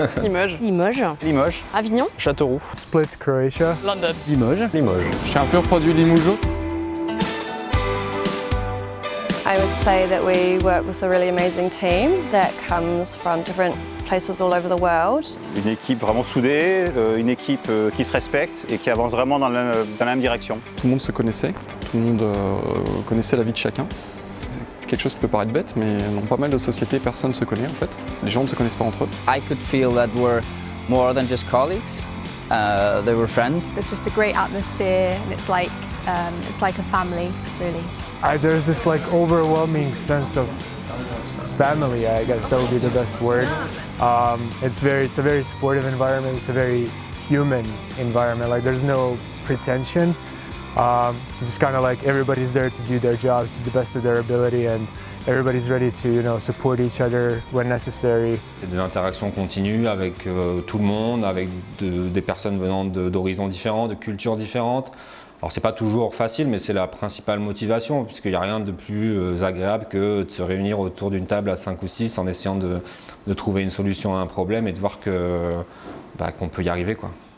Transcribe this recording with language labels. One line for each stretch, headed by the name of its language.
French: Limoges. Limoges. Limoges. Avignon. Châteauroux.
English: Split, Croatia. London.
French: Limoges. Limoges. Je suis un peu produit Limougeau.
English: I would say that we work with a really amazing team that comes from different places all over the world.
French: Une équipe vraiment soudée, une équipe qui se respecte et qui avance vraiment dans la même direction. Tout le monde se connaissait, tout le monde connaissait la vie de chacun. C'est quelque chose qui peut paraître bête, mais dans pas mal de sociétés, personne ne se connaît en fait. Les gens ne se connaissent pas entre eux.
English: I could feel that we're more than just colleagues. They were friends. There's just a great atmosphere, and it's like a family, really. There's this like overwhelming sense of family, I guess that would be the best word. It's a very supportive environment, it's a very human environment, like there's no pretension. It's just kind of like everybody's there to do their jobs to the best of their ability, and everybody's ready to, you know, support each other when necessary.
French: C'est des interactions continues avec tout le monde, avec des personnes venant d'horizons différents, de cultures différentes. Alors c'est pas toujours facile, mais c'est la principale motivation, puisqu'il n'y a rien de plus agréable que de se réunir autour d'une table à 5 ou 6 en essayant de trouver une solution à un problème et de voir que, bah, qu'on peut y arriver, quoi.